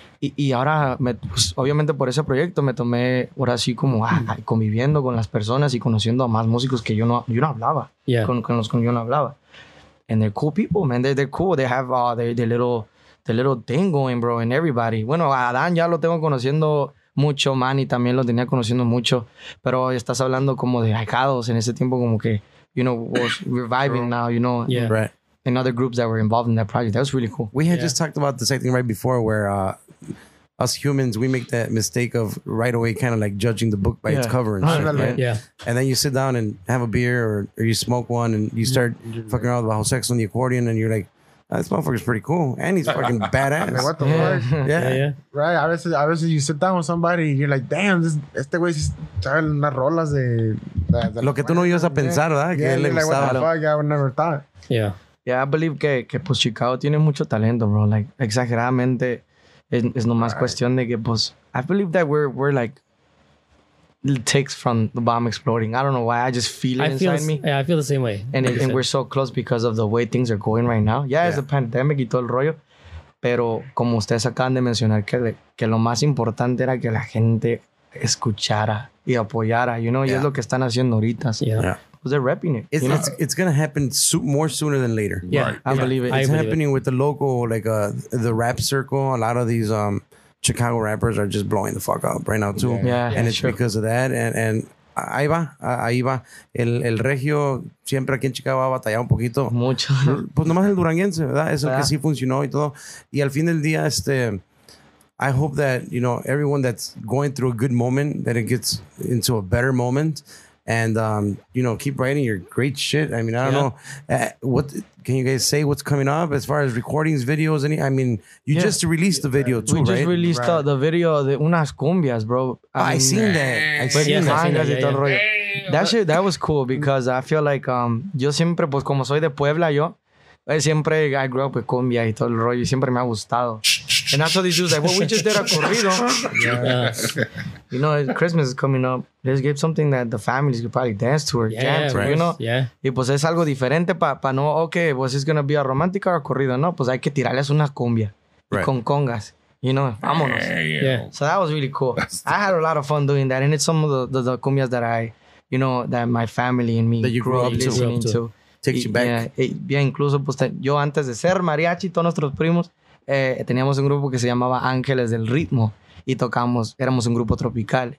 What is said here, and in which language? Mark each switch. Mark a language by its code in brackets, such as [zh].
[es] Y ahora, me, pues, obviamente por ese proyecto me tomé, ahora sí como, conviviendo con las personas y conociendo a más músicos que yo no hablaba, [en] yeah. [es] con los que yo no hablaba. [en] And they're cool people, man. They're cool. They have their little thing going, bro, and everybody. [es] Bueno, Adán ya lo tengo conociendo mucho, Manny también lo tenía conociendo mucho. Pero estás hablando como de Aikados en ese tiempo como que, [en] you know, was reviving now, you know. Yeah. Right. And other groups that were involved in that project. That was really cool. We had just talked about the same thing right before where us humans, we make that mistake of right away kind of like judging the book by its cover and shit. Right? Yeah. And then you sit down and have a beer or you smoke one and you start fucking around with Bajo Sex on the accordion and you're like, oh, this motherfucker's pretty cool. And he's fucking badass. I mean, what the yeah. fuck? Yeah. Yeah, yeah. Right. Obviously, you sit down with somebody and you're like, damn, this [es] este güey [en] is trying to [es] unas rolas de lo que tú no ibas a pensar, ¿verdad? [en] Yeah, [es] que [en] like, what the fuck? I would never thought. Yeah. Yeah, I believe [es] que pues Chicago tiene mucho talento, [en] bro. Like, [es] exageradamente. [en] It's [es] no más cuestión de que, pues, [en] I believe that we're like, it takes from the bomb exploding. I don't know why. I just feel it inside me. Yeah, I feel the same way. And, like it, and we're so close because of the way things are going right now. Yeah, it's a pandemic [es] y todo el rollo. Pero como ustedes acaban de mencionar, que lo más importante era que la gente escuchara y apoyara, [en] you know? [es] Y es lo que están haciendo ahorita. [en] Yeah. Because they're repping it. It's going to happen more sooner than later. Yeah, right. I believe it. It's happening with the local, like the rap circle. A lot of these Chicago rappers are just blowing the fuck up right now, too. Yeah, and it's sure. because of that. And [es] ahí va. El regio siempre aquí en Chicago ha batallado un poquito. Mucho. Pues nomás el duranguense, ¿verdad? Eso que sí funcionó y todo. Y al fin del día, [en] I hope that, you know, everyone that's going through a good moment, that it gets into a better moment. And, you know, keep writing your great shit. I mean, I don't know. What can you guys say what's coming up as far as recordings, videos? Any? I mean, you just released the video too, right? We just released the video of Unas Cumbias, bro. I seen that. That shit, that was cool because I feel like, [es] yo siempre, pues como soy de Puebla, yo siempre, [en] I grew up with cumbia [es] y todo el rollo. Y siempre me ha gustado. [en] And that's what these dudes like, well, we just did a corrido. Yeah. You know, Christmas is coming up. Let's give something that the families could probably dance to or jam to, you know? Yeah. [es] Y pues es algo diferente pa no, [en] okay, [es] pues [en] it's gonna be a romantic or a corrido. [es] No, pues hay que tirarles una cumbia. [en] Right. [es] Y con congas. [en] You know, [es] vámonos. [en] Yeah. So that was really cool. I had a lot of fun doing that. And it's some of the cumbias that I, you know, that my family and me that you grew up listening grew up to. Takes you back. Yeah, yeah, [es] incluso, pues yo antes de ser mariachi, todos nuestros primos, teníamos un grupo que se llamaba Ángeles del Ritmo y tocamos, éramos un grupo tropical.